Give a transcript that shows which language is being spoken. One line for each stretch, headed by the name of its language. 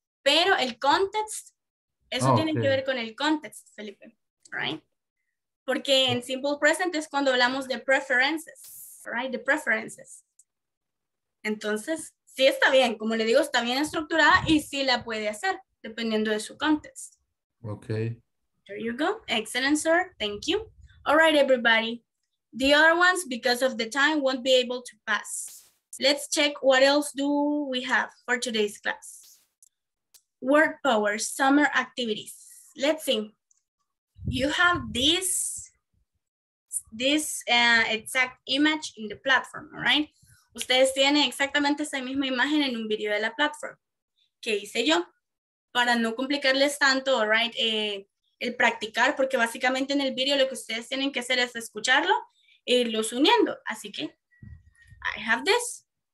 Spanish: Pero el context, eso tiene que ver con el context, Felipe, right? Porque en simple present es cuando hablamos de preferences,
English: right? The preferences.
Spanish: Entonces, sí está bien. Como le digo, está bien estructurada y sí la puede hacer, dependiendo de su context.
English: Okay. There you go. Excellent, sir. Thank you. All right, everybody. The other ones, because of the time, won't be able to pass. Let's check what else do we have for today's class. Word power, summer activities. Let's see. You have this exact image in the platform, all right?
Spanish: Ustedes tienen exactamente esa misma imagen en un video de la platform. ¿Qué hice yo? Para no complicarles tanto,
English: all right,
Spanish: el practicar, porque básicamente en el video lo que ustedes tienen que hacer es escucharlo. E irlos uniendo, así que
English: I have this.